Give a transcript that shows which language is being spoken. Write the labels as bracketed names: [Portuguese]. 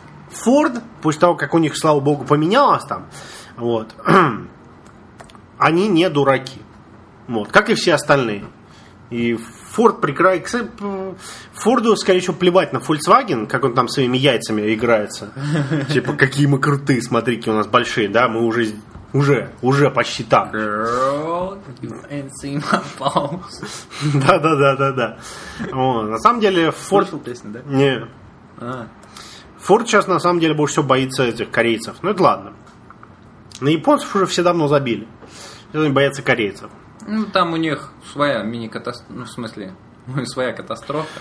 [Russian] Ford, после того, как у них, слава богу, поменялось там, вот, они не дураки. Вот, как и все остальные. И Ford прекрасно... Форду, скорее всего, плевать на Volkswagen, как он там своими яйцами играется. Типа, какие мы крутые, смотри, какие у нас большие, да, мы уже... Уже почти там. [English] Girl, you ain't seen my balls. [Russian] Да. На самом деле, Ford... Слышал песню, да? Не. Ford сейчас, на самом деле, больше всего боится этих корейцев. Ну, это ладно. На японцев уже все давно забили. Они боятся корейцев. Ну, там у них своя мини-катастрофа. Ну, в смысле, своя катастрофа.